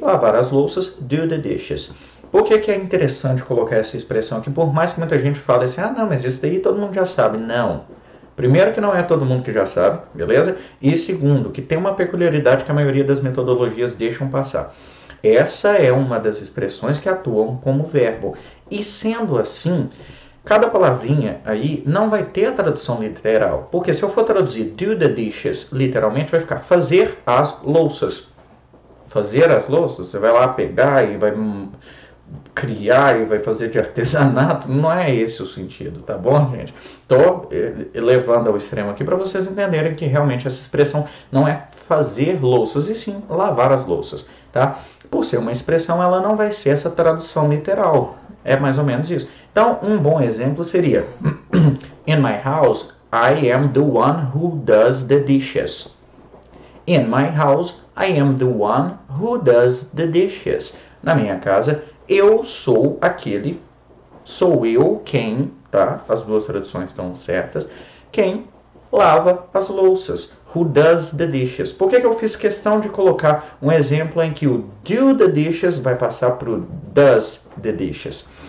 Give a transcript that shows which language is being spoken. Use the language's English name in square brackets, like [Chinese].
[Portuguese] Lavar as louças, [English] do the dishes. [Portuguese] Por que que é interessante colocar essa expressão aqui? Por mais que muita gente fale assim, ah, não, mas isso daí todo mundo já sabe. Não. Primeiro que não é todo mundo que já sabe, beleza? E segundo, que tem uma peculiaridade que a maioria das metodologias deixam passar. Essa é uma das expressões que atuam como verbo. E sendo assim, cada palavrinha aí não vai ter a tradução literal, porque se eu for traduzir [English] do the dishes [Portuguese] literalmente, vai ficar fazer as louças. Fazer as louças, você vai lá pegar e vai criar e vai fazer de artesanato, não é esse o sentido, tá bom, gente? Tô elevando ao extremo aqui para vocês entenderem que realmente essa expressão não é fazer louças e sim lavar as louças, tá? Por ser uma expressão, ela não vai ser essa tradução literal. É mais ou menos isso. Então, um bom exemplo seria: [English] In my house, I am the one who does the dishes. In my house, I am the one who does the dishes. [Portuguese] Na minha casa, eu sou aquele. Sou eu quem, tá? As duas traduções estão certas. Quem lava as louças. [English] Who does the dishes? [Portuguese] Por que que eu fiz questão de colocar um exemplo em que o [English] do the dishes [Portuguese] vai passar para o [English] does the dishes?